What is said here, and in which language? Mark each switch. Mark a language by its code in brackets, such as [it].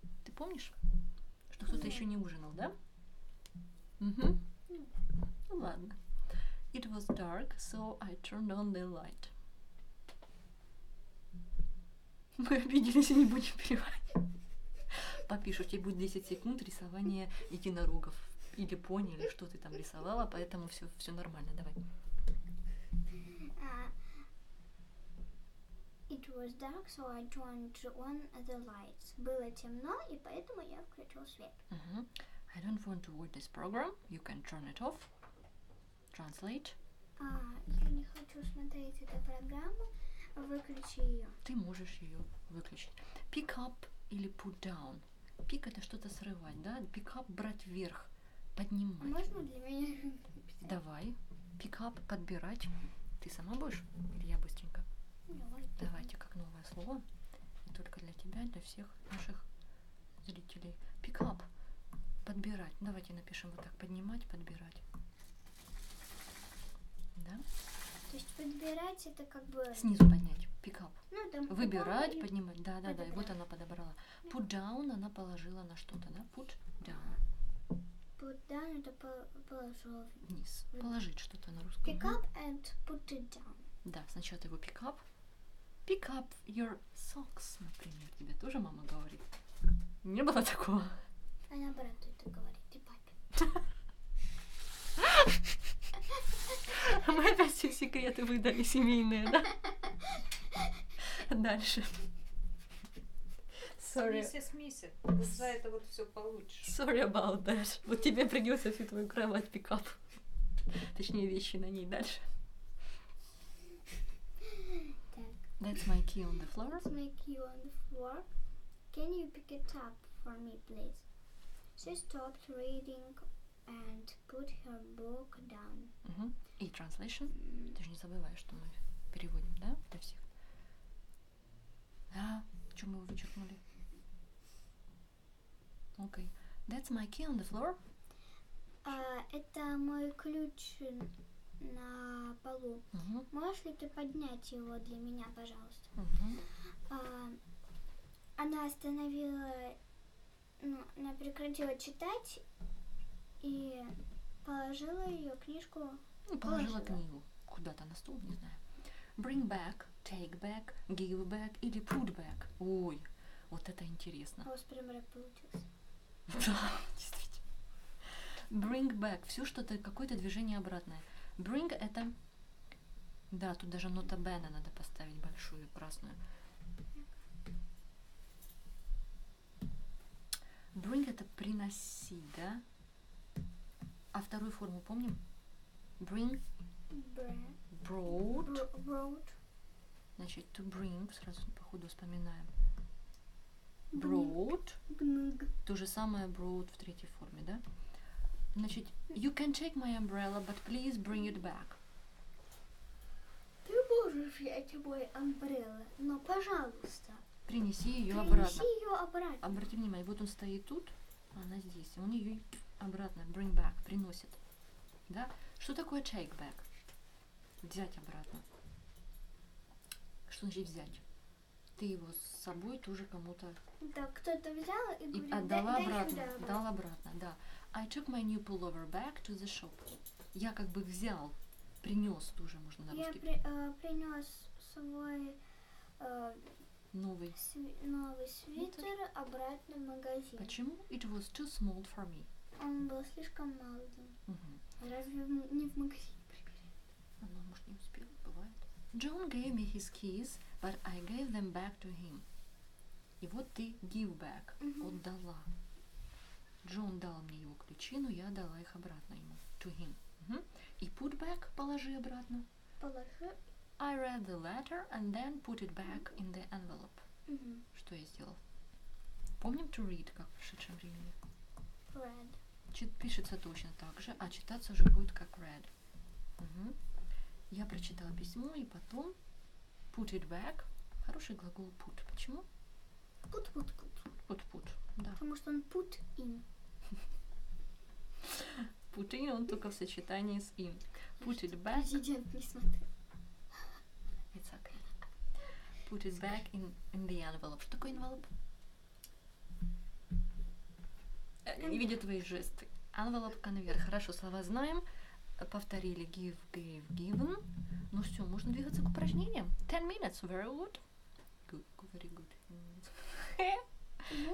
[ru] Ты помнишь, что кто-то еще не ужинал, да? Угу. Ну ладно. [en] It was dark, so I turned on the light. [ru] Мы обиделись и не будем переводить. Попишу, у тебя будет 10 секунд рисования единорогов. Или пони, или что ты там рисовала, поэтому все, все нормально, давай. [en] It was dark, so I turned on the lights. [ru] Было темно, и поэтому я включил свет. [en] Uh-huh. I don't want to watch this program. You can turn it off. Translate. [ru] Я не хочу смотреть эту программу. Выключи ее. Ты можешь ее выключить. [en] Pick up или put down. [ru] Pick — это что-то срывать, да? Pick up — брать вверх, поднимать. Можно для меня написать? Давай. Pick up — подбирать. Ты сама будешь? Или я быстренько? Давайте, как новое слово. Не только для тебя, для всех наших зрителей. Pick up — подбирать. Давайте напишем вот так. Поднимать, подбирать. Да? То есть подбирать — это как бы... Снизу поднять. Pick up. Ну, там выбирать, поднимать. Да, да, подобрать. Да. И вот она подобрала. Put down — она положила на что-то, да? [en] Put down. [ru] Put down — это положила вниз. Положить что-то на русском. [en] Pick up and put it down. [ru] Да, сначала ты его pick up. [en] Pick up your socks, [ru] например. Тебе тоже мама говорит. Не было такого? Она брату это говорит, и папе. Мы опять все секреты выдали семейные, да? Дальше. Sorry. Смейся. Вот за это вот все получишь. [en] Sorry about that. [ru] Вот тебе придется всю твою кровать pick up. Точнее, вещи на ней. Дальше. [en] That's my key on the floor. That's my key on the floor. Can you pick it up for me, please? She stopped reading and put her book down. [ru] Uh-huh. И translation. Ты же не забываешь, что мы переводим, да, для всех. Да, что мы вычеркнули. [en] Okay. That's my key on the floor. [ru] Это мой ключ на полу. Uh-huh. Можешь ли ты поднять его для меня, пожалуйста? Uh-huh. Она остановила, ну, она прекратила читать и положила ее книжку. Положила книгу куда-то на стол, не знаю. [en] Bring back, take back, give back или put back. [ru] Ой, вот это интересно. У вас прям рэп получился. Да, действительно. Bring back — все что-то, какое-то движение обратное. Bring — это... Да, тут даже нота бена надо поставить большую, красную. Bring — это приносить, да? А вторую форму помним? Bring. Brought. [en] Brought. [ru] Значит, to bring. Сразу по ходу вспоминаем. [en] Brought. Bring. [ru] То же самое brought в третьей форме, да? [en] Значит, you can take my umbrella, but please bring it back. [ru] Ты можешь взять мой umbrella, но, пожалуйста, принеси ее принеси обратно. Принеси ее обратно. Обрати внимание, вот он стоит тут, она здесь. Он ее обратно, bring back, приносит. Да? Что такое take back? Взять обратно. Что значит взять? Ты его с собой тоже кому-то... Да, кто-то взял и говорит, и отдала, дай обратно, сюда обратно. Дал обратно, да. [en] I took my new pullover back to the shop. [ru] Я как бы взял, принёс тоже, можно на русский. Я принёс свой новый свитер обратно в магазин. [en] Почему? It was too small for me. [ru] Он был слишком маленьким. Uh-huh. Разве не в магазине прибирать? Она, может, не успела, бывает. [en] John gave me his keys, but I gave them back to him. [ru] И вот ты give back, uh-huh, отдала. Джон дал мне его ключи, но я дала их обратно ему. [en] To him. Uh-huh. [ru] И put back — положи обратно. Положи. [en] I read the letter and then put it back, uh-huh, in the envelope. Uh-huh. [ru] Что я сделал? Помним to read как в прошедшем времени? [en] Read. [ru] Пишется точно так же, а читаться уже будет как read. Угу. Я прочитала письмо и потом [en] put it back. [ru] Хороший глагол put. Почему? [en] Put. [ru] Да. Потому что он put in. Put in, он только в сочетании с in. [en] Put it back. [ru] Президент не смотрел. [en] It's okay. Put it back in the envelope. Что такое envelope? [ru] Не видя твои жесты. Envelope, конверт. Хорошо, слова знаем. Повторили. Given. Ну все, можно двигаться к упражнениям. [en] 10 minutes. Very good. [ru] Good. Very good.